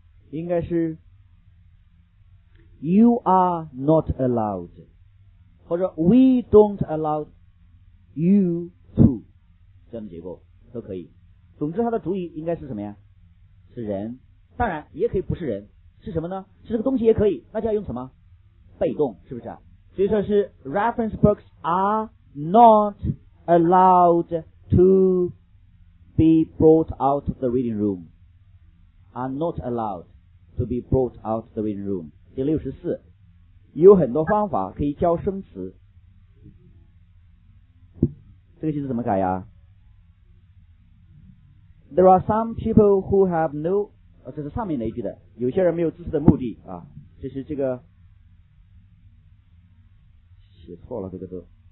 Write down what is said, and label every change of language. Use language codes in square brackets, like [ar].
[zh] 应该是 [en] You are not allowed， [zh] 或者 [en] We don't allowYou too， [zh] 这样的结构都可以。总之它的主语应该是什么呀？是人，当然也可以不是人，是什么呢？是这个东西也可以，那就要用什么？被动，是不是？所以说是 [en] reference books are not allowed to be brought out of the reading room. Are not allowed to be brought out of the reading room. [zh] 第64，有很多方法可以教生词。这个句子怎么改呀？ [en] There are some people who have no, [zh] 这是上面那一句的，有些人没有知识的目的啊，这是这个写错了这个字。